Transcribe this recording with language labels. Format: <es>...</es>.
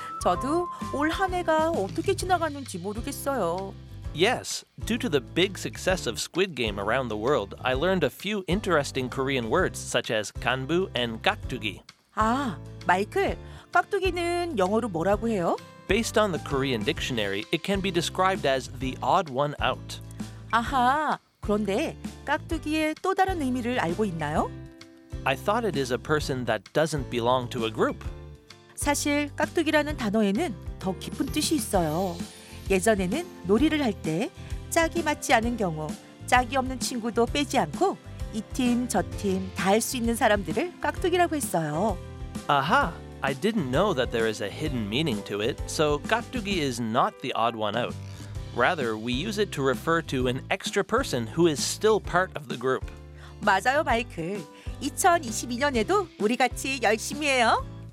<ko>저도 올 한 해가 어떻게 지나갔는지 모르겠어요.</ko> <en>Yes, due to the big success of Squid Game around the world, I learned a few interesting Korean words such as 간부 and 깍두기.</en> <ko>아, 마이클, 깍두기는 영어로 뭐라고 해요?</ko> <en>Based on the Korean dictionary, it can be described as the odd one out.</en> <ko>아하, 그런데 깍두기의 또 다른 의미를 알고 있나요?</ko> <en>I thought it is a person that doesn't belong to a group.</en> <ko>사실 깍두기라는 단어에는 더 깊은 뜻이 있어요. 예전에는 놀이를 할 때 짝이 맞지 않은 경우 짝이 없는 친구도 빼지 않고 이 팀, 저 팀 다 할 수 있는 사람들을 깍두기라고 했어요.</ko> <en>Aha! I didn't know that there is a hidden meaning to it, so 깍두기 is not the odd one out. Rather, we use it to refer to an extra person who is still part of the group.</en> <ko>맞아요, 마이클. 2022년에도 우리 같이 열심히 해요.</ko>